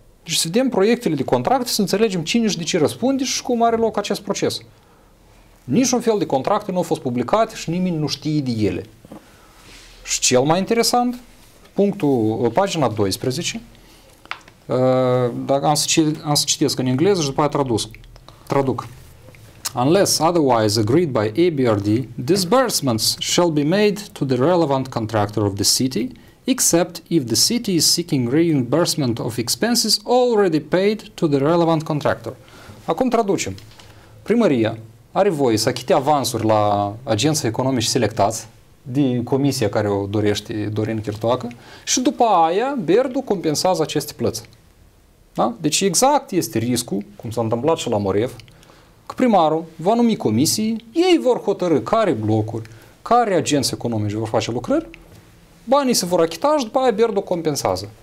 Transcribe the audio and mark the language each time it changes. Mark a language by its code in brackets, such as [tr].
[ro] Deci să vedem proiectele de contract, să înțelegem cine și de ce răspunde și cum are loc acest proces. Niciun fel de contracte nu au fost publicate și nimeni nu știe de ele. Și cel mai interesant, pagina 12, Dar am să citesc în engleză și după aia tradus. Traduc. [en] Unless otherwise agreed by ABRD, disbursements shall be made to the relevant contractor of the city, except if the city is seeking reimbursement of expenses already paid to the relevant contractor. [ro] Acum traducem. Primăria are voie să achite avansuri la agenții economici selectați din comisia care o dorește Dorin Chirtoacă și după aia Berdu compensează aceste plăți. Da? Deci exact este riscul, cum s-a întâmplat și la Morev, că primarul va numi comisii, ei vor hotărâ care blocuri, care agenți economici vor face lucrări, banii se vor achita și după aia Berdu compensează.